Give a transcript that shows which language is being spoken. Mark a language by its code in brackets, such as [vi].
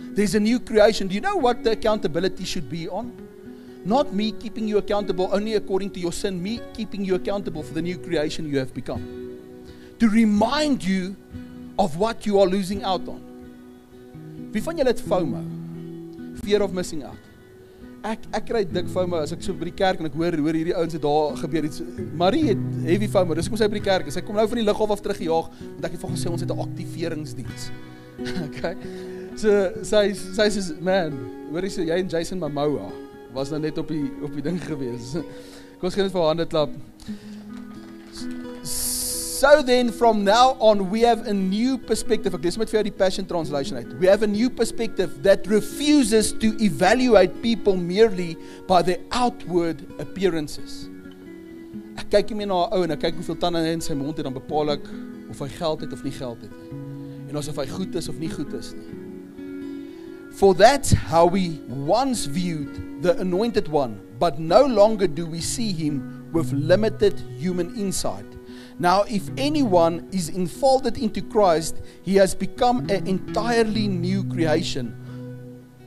[en] There's a new creation. Do you know what the accountability should be on? Not me keeping you accountable only according to your sin, me keeping you accountable for the new creation you have become. To remind you of what you are losing out on. [af] Wie van julle het FOMO? [en] Fear of missing out. [af] Ek kry dik FOMO as ek so by die kerk en ek hoor hierdie ouens het daar gebeur iets. Marie het heavy FOMO, dis kom sy by die kerk. Sy kom nou van die lughawe af teruggejaag, want ek het vir gesê ons het 'n aktiveringsdiens. Okay. So, sy sê, man, hoor jy, so, jy en Jason Momoa was nou net op die ding gewees. Kom ons gaan dit vir hande klap. [en] So then, from now on, we have a new perspective. [af] Ek lees met vir jou die Passion Translation uit. [en] We have a new perspective that refuses to evaluate people merely by their outward appearances. [af] Ek kyk nie meer na 'n ou en ek kyk hoeveel tande hy in sy mond het, dan bepaal ek of hy geld het of nie geld het. En of hy goed is of nie goed is nie. [en] For that's how we once viewed the Anointed One, but no longer do we see him with limited human insight. Now, if anyone is enfolded into Christ, he has become an entirely new creation.